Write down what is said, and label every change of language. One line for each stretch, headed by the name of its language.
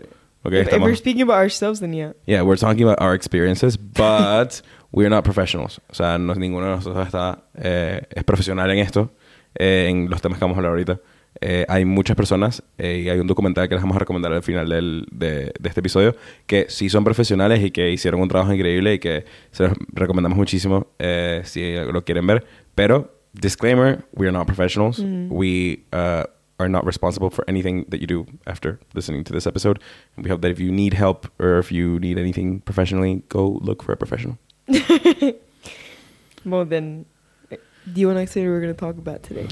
English: Yeah, okay, if we're speaking about ourselves, then yeah. Yeah, we're talking about our experiences, but we're not professionals.
Spanish: O sea, no, ninguno de nosotros es profesional en esto, en los temas que vamos a hablar ahorita. Hay muchas personas y hay un documental que les vamos a recomendar al final de este episodio, que sí son profesionales y que hicieron un trabajo increíble y que se los recomendamos muchísimo si lo quieren ver.
English: Pero, disclaimer, we're not professionals. Mm-hmm. We are not responsible for anything that you do after listening to this episode. And we hope that if you need help or if you need anything professionally, go look for a professional. Well, then, do you want to say what we're going to talk about today?